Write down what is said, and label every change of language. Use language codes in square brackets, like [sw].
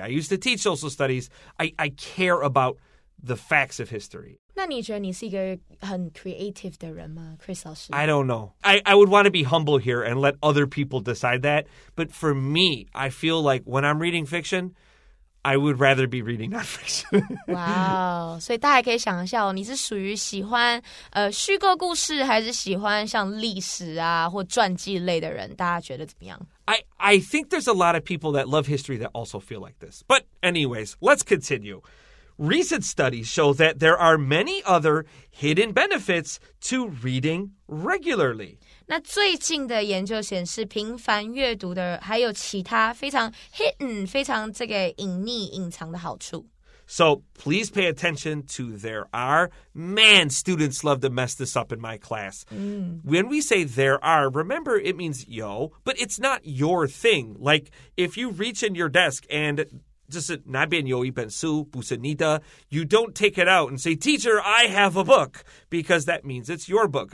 [en] I used to teach social studies. I care about the facts of history. [zh] 那你觉得你是一个很 creative 的人吗 Chris 老师 [en] I don't know. I would want to be humble here and let other people decide that. But for me, I feel like when I'm reading fiction, I would rather be reading nonfiction. Wow. [zh] 所以大家可以想一下哦，你是属于喜欢虚构故事，还是喜欢像历史啊或传记类的人？大家觉得怎么样？ [en] I think there's a lot of people that love history that also feel like this. But anyways, let's continue. Recent studies show that there are many other hidden benefits to reading regularly. [zh] 那最近的研究显示，频繁阅读的还有其他非常 hidden, 非常这个隐匿、隐藏的好处。 [en] So please pay attention to there are. Man, students love to mess this up in my class. Mm. When we say there are, remember it means yo, but it's not your thing. Like if you reach in your desk and just [zh] 那边有一本书不是你的, [en] you don't take it out and say, teacher, I have a book, because that means it's your book.